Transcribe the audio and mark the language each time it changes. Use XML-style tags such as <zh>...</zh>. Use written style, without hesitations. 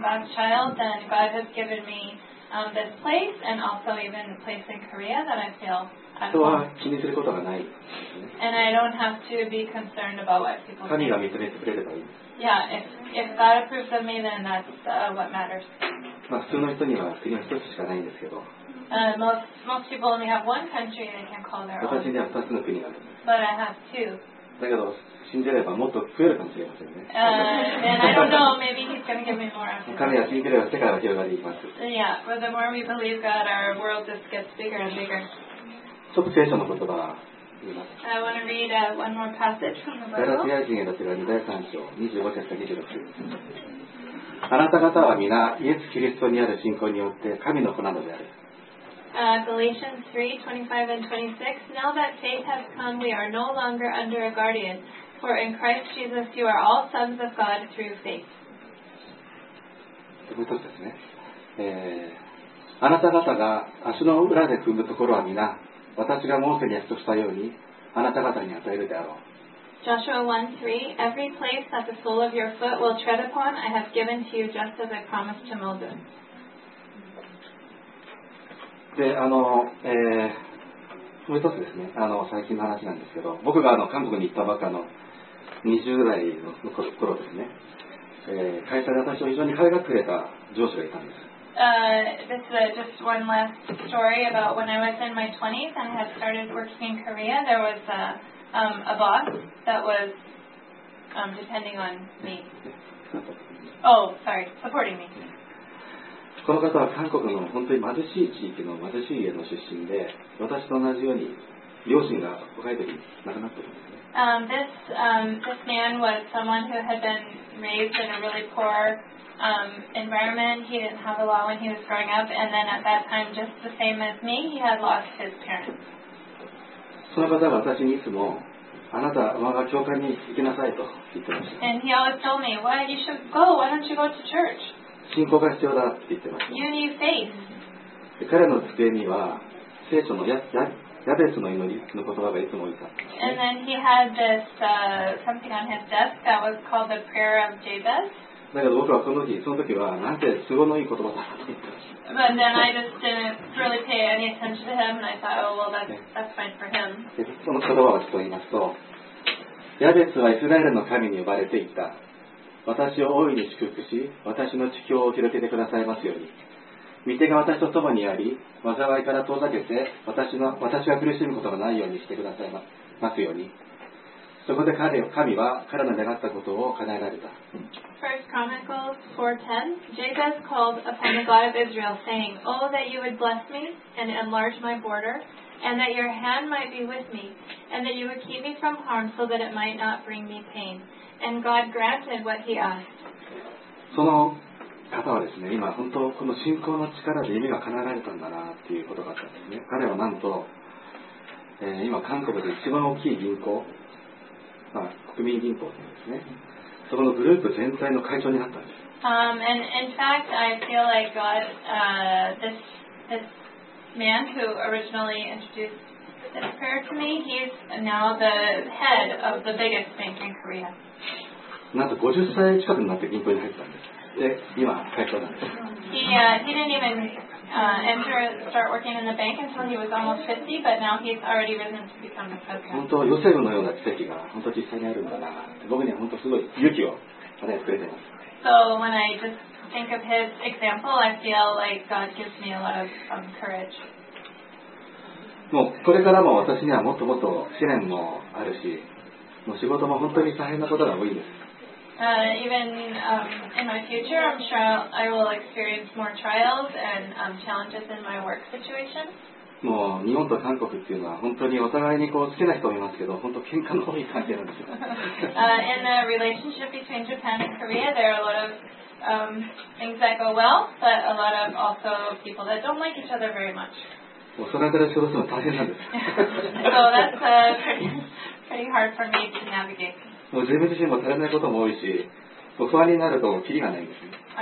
<en>God's child, then God has given me. This place and also even the place in Korea that I feel at home.</en> <ja>人は気にすることがない。</ja> <en>And I don't have to be concerned about what people think.</en> <ja>神が認めてくれればいい。</ja> <en>Yeah, if God approves of me, then that's what matters.</en> <ja>まあ普通の人には国は一つしかないんですけど。</ja> <en>Most people only have one country they can call their own.</en> <ja>私には二つの国がある。</ja> <en>But I have two.</en> <ja>だけど信じればもっと増えるかもしれませんね。彼は信じれば世界は広がりますちょっと聖書の言葉を言います。ガラティア人への手紙第3章25節から26節あなた方は皆イエス・キリストにある信仰によって神の子なのである。</ja> <en>Galatians 3:25 and 26. Now that faith has come, we are no longer under a guardian. For in Christ Jesus, you are all sons of God through faith.</en> <ja>もう一つですね。あなた方が足の裏で踏むところは皆、私がモーセに約束したようにあなた方に与えるであろう。</ja> <en>Joshua 1:3. Every place that the sole of your foot will tread upon, I have given to you, just as I promised to Moses.</en> <ja>であのもう一つですね、あの最近の話なんですけど、僕があの韓国に行ったばっかの20代の頃ですね、会社で私を非常に可愛がってくれた上司がいたんです。</ja> <en>This is just one last story about when I was in my 20s and I had started working in Korea. There was a boss that was depending on me. Oh, sorry, supporting me.</en> <ja>この方は韓国の本当に貧しい地域の貧しい家の出身で、私と同じように両親が若い時に亡くなっているんですね。</ja> <en>This man was someone who had been raised in a really poor environment. He didn't have a lot when he was growing up, and then at that time, just the same as me, he had lost his parents.</en> <ja>その方は私にいつも、あなた、我が教会に行きなさいと言ってました。</ja> <en>And he always told me, why you should go? Why don't you go to church?</en> <ja>信仰が必要だって言ってます。</ja> <en>You need faith.</en> <ja>で彼の机には聖書のヤベスの祈りの言葉がいつも置いてあった。</ja> <en>And then he had this something on his desk that was called the prayer of Jabez.</en> <ja>だけど僕はその時はなんて都合のいい言葉だって言ってました。</ja> <en>But then I just didn't really pay any attention to him and I thought, oh well, that's fine for him.</en> <ja>その言葉をちょっと言いますと、ヤベスはイスラエルの神に呼ばれていた。私を大いに祝福し、私の地境を広げてくださいますように。御手が私と共にあり、災いから遠ざけて私が苦しむことがないようにしてくださいますように。そこで神は彼の願ったことを叶えられた。</ja> <en>1 Chronicles 4:10 Jabez called upon the God of Israel, saying, Oh, that you would bless me and enlarge my border, and that your hand might be with me, and that you would keep me from harm so that it might not bring me pain. And God granted what he asked.</en> <ja>その方はですね、今本当この信仰の力で夢が叶えられたんだなっていうことがあったんですね。彼はなんと、今韓国で一番大きい銀行、まあ、国民銀行ですね。そこのグループ全体の会長になったんです。</ja> <en>And in fact, I feel like God, this man who originally introduced this prayer to me, he's now the head of the biggest bank in Korea.</en> <ja>なんと50歳近くになって銀行に入ったんです。で今会長なんです。</ja> <en>He didn't even start working in the bank until he was almost 50, but now he's already risen to become the president.</en> <ja>本当ヨセフのような奇跡が本当実際にあるんだな。</ja> <en>So when I just think of his example, I feel like God gives me a lot of courage.</en> <ja>もうこれからも私にはもっともっと試練もあるし、もう仕事も本当に大変なことが多いです。</ja> <en>In my future, I'm sure I will experience more trials and challenges in my work situation.</en> <ja>もう日本と韓国っていうのは本当にお互いにこう好きな人もいますけど、本当喧嘩の多い関係なんですよ。</ja> <en>In the relationship between Japan and Korea, there are a lot of things that go well, but a lot of also people that don't like each other very much.</en> <ja>もうそれから仕事するの大変なんです。</ja> <en>So that's pretty hard for me to navigate.</en> <ja>もう自分自身も足りないことも多いし、もう不安になるとキリがないんですね。</ja>